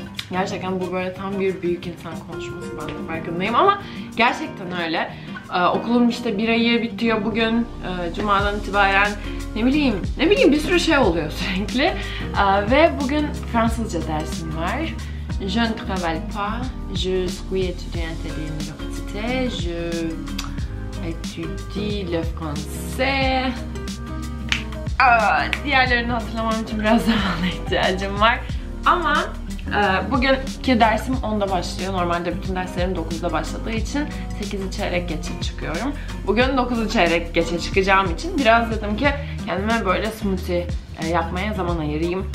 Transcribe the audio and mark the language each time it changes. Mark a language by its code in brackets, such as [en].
[tr] Gerçekten bu böyle tam bir büyük insan konuşması, ben de farkındayım ama gerçekten öyle. Okulum işte bir ayı bitiyor bugün, cumadan itibaren ne bileyim bir sürü şey oluyor sürekli. Ve bugün Fransızca dersim var. [fr] Je ne travaille pas, je suis étudiante à l'université, je étudie le français. [tr] Diğerlerini hatırlamam için biraz zamana ihtiyacım var ama bugünkü dersim 10'da başlıyor. Normalde bütün derslerim 9'da başladığı için 8'i çeyrek geçe çıkıyorum. Bugün 9'u çeyrek geçe çıkacağım için biraz dedim ki kendime böyle smoothie yapmaya zaman ayırayım.